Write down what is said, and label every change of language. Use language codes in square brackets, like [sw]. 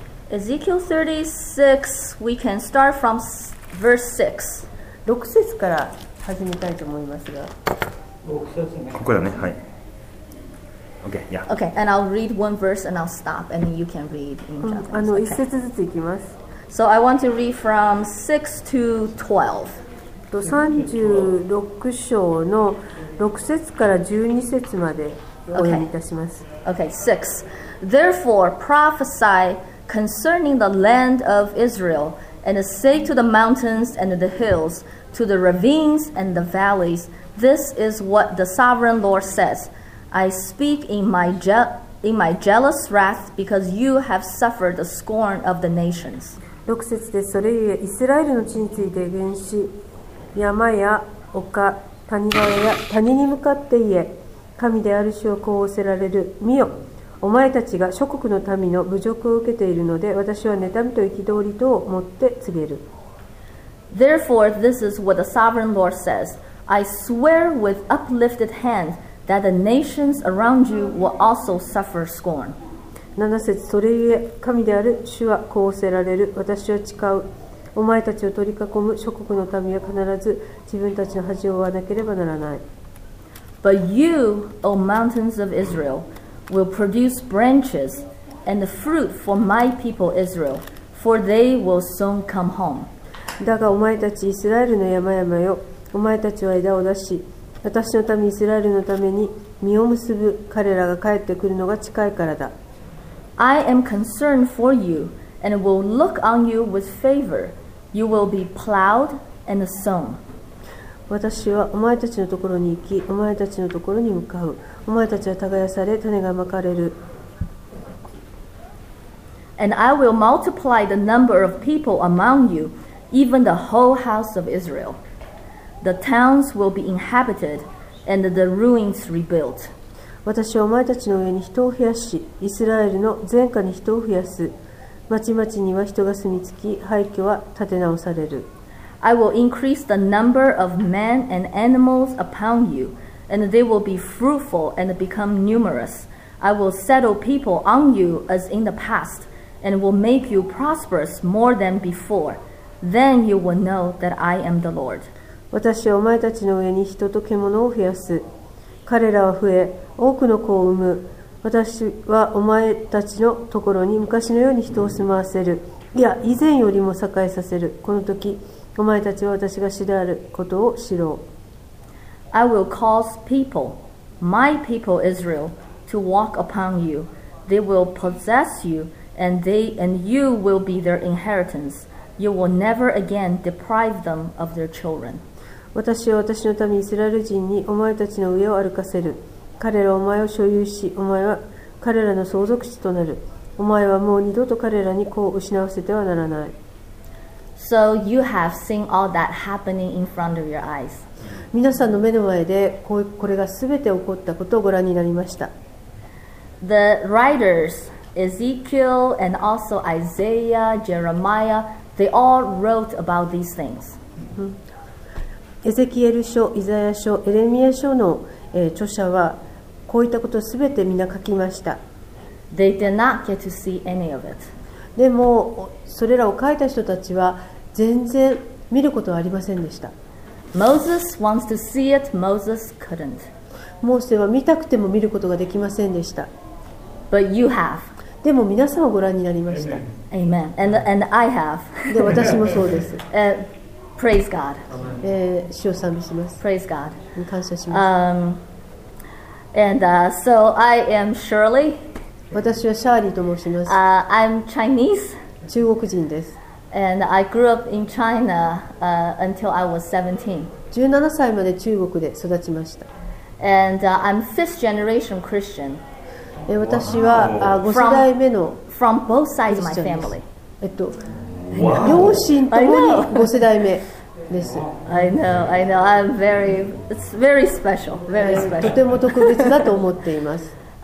[en] Ezekiel 36, we can start from verse [ja] 6. 6節から始めたいと思いますが。ここだね、はい。 [en] Okay, yeah. Okay, and I'll read one verse and I'll stop and you can read in Japanese. [ja] 一節ずついきます。 [en] So I want to read from 6 to 12. [ja] 36章の6節から12節までお読みいたします。 [en] Okay, 6. Therefore prophesy concerning the land of Israel and say to the mountains and the hills, to the ravines and the valleys, this is what the sovereign Lord says. I speak in my jealous wrath because you have suffered the scorn of the nations. [ja] 6節です。それゆえイスラエルの地について言し、山や丘、谷川や谷に向かって言え、神である主をこうおせられる。見よ、お前たちが諸国の民の侮辱を受けているので、私は妬みと憤りとをもって告げる。 [en] Therefore this is what the sovereign Lord says. I swear with uplifted hand. That the nations around you will also suffer scorn. [ja] 7節、それゆえ神である主はこうおせられる。私は誓う。お前たちを取り囲む諸国の民は必ず自分たちの恥を追わなければならない。 [en] But you, O mountains of Israel, will produce branches and fruit for my people Israel, for they will soon come home. [ja] だがお前たちイスラエルの山々よ、お前たちは枝を出し、私のためイスラエルのために実を結ぶ。彼らが帰ってくるのが近いからだ。 [en] I am concerned for you and will look on you with favor. You will be plowed and sown. [ja] 私はお前たちのところに行き、お前たちのところに向かう。お前たちは耕され、種がまかれる。 [en] And I will multiply the number of people among you, even the whole house of Israel. The towns will be inhabited and the ruins rebuilt. [ja] 私はお前たちの上に人を増やし、イスラエルの全家に人を増やす。町々には人が住み着き、廃墟は建て直される。 [en] I will increase the number of men and animals upon you, and they will be fruitful and become numerous. I will settle people on you as in the past, and will make you prosperous more than before. Then you will know that I am the Lord. [ja] 私はお前たちの上に人と獣を増やす。彼らは増え、多くの子を産む。私はお前たちのところに昔のように人を住まわせる。いや、以前よりも栄えさせる。この時、お前たちは私が主であることを知ろう。 [en] I will cause people, my people Israel, to walk upon you. They will possess you, and you will be their inheritance. You will never again deprive them of their children. [ja] 私は私のためイスラエル人にお前たちの上を歩かせる。彼らはお前を所有し、お前は彼らの相続地となる。お前はもう二度と彼らに子を失わせてはならない。 [en] So you have seen all that happening in front of your eyes. [ja] 皆さんの目の前でこれが全て起こったことをご覧になりました。 [en] The writers, Ezekiel and also Isaiah, Jeremiah, they all wrote about these things. [ja] エゼキエル書、イザヤ書、エレミア書の、著者はこういったことをすべてみんな書きました。 [en] They did not get to see any of it. [ja] でもそれらを書いた人たちは全然見ることはありませんでした。 [en] Moses wants to see it, Moses couldn't. [ja] モーセは見たくても見ることができませんでした。 [en] But you have. [ja] でも皆さんはご覧になりました。 [en] Amen. And I have. [ja] で私もそうです。 [en] Praise God. [ja] 主を賛美します。 [en] Praise God. [ja] 感謝します。 [en] So I am Shirley. [ja] 私はシャーリーと申します。 [en] I'm Chinese. [ja] 中国人です。 [en] And I grew up in China, until I was 17. [ja] 17歳まで中国で育ちました。 [en] And I'm fifth generation Christian. [ja] 私は五世代目の [en] from both sides of my family. [ja] Wow. 両親ともに5世代目 [en] Listen, I know. I'm very, it's very special, very special. [ja] とても特別だと思っています。